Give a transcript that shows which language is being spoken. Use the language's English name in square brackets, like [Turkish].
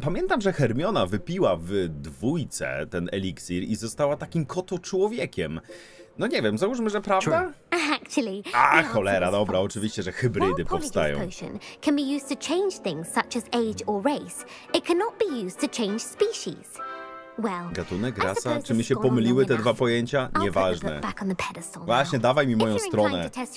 [Polish] Pamiętam, że Hermiona wypiła w dwójce ten eliksir i została takim kotoczłowiekiem. No nie wiem, załóżmy, że prawda? [English] Actually, [Polish] a cholera, dobra, oczywiście, że hybrydy powstają. [English] Potion can be used to change things such as age or race. It cannot be used to change species. Well, [Polish] gatunek, rasa? Czy mi się pomyliły te dwa pojęcia? Nieważne. Właśnie, dawaj mi moją stronę.